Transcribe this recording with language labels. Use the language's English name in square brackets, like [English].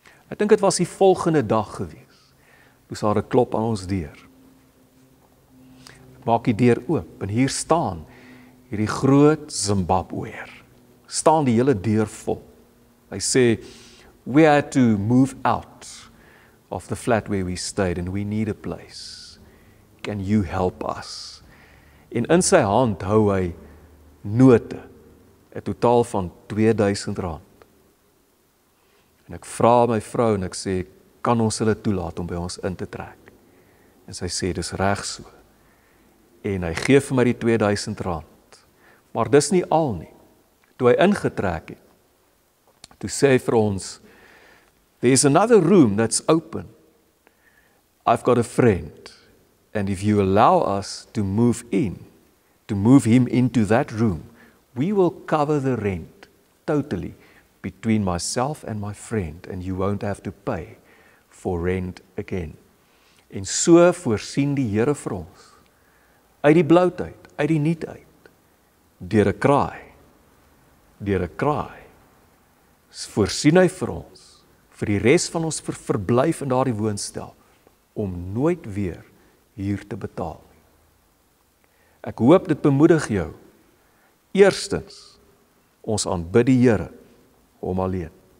[Afrikaans] Ek dink dit was die volgende dag gewees. Toe sal 'n klop aan ons deur. Ek maak die deur oop en hier staan hierdie groot Zimbabweër. Staan die hele deur vol. Hy sê, [English] we had to move out of the flat where we stayed and we need a place. Can you help us? [Afrikaans] En in sy hand hou hy note, 'n totaal van R2000. En ek vra my vrou en ek sê, kan ons hulle toelaat om by ons in te trek? En sy sê, dis reg so. En hy gee vir my die R2000. Maar dis nie al nie. Toe hy ingetrek het, toe sê hy vir ons, [English] there's another room that's open. I've got a friend. [Afrikaans] And if you allow us to move in, to move him into that room, we will cover the rent totally between myself and my friend and you won't have to pay for rent again. En so voorsien die Here vir ons. Uit die bloute uit, uit die niet uit. Deur 'n kraai. Voorsien hy vir ons vir die res van ons verblyf in daardie woonstel, om nooit weer huur te betaal. Ek hoop dit bemoedig jou, Eerstens, ons aanbid die Here om alleen.